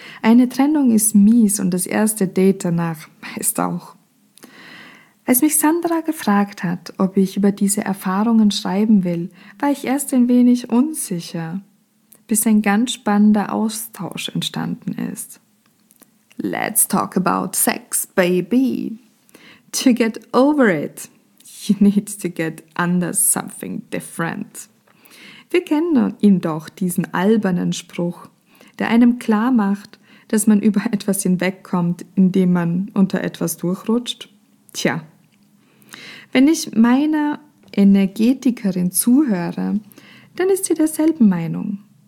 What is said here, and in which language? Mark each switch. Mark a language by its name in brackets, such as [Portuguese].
[German] Eine Trennung ist mies und das erste Date danach meist auch. Als mich Sandra gefragt hat, ob ich über diese Erfahrungen schreiben will, war ich erst ein wenig unsicher, bis ein ganz spannender Austausch entstanden ist. [English] Let's talk about sex, baby. To get over it, you need to get under something different. [German] Wir kennen ihn doch, diesen albernen Spruch, der einem klar macht, dass man über etwas hinwegkommt, indem man unter etwas durchrutscht. Tja, wenn ich meiner Energetikerin zuhöre, dann ist sie derselben Meinung.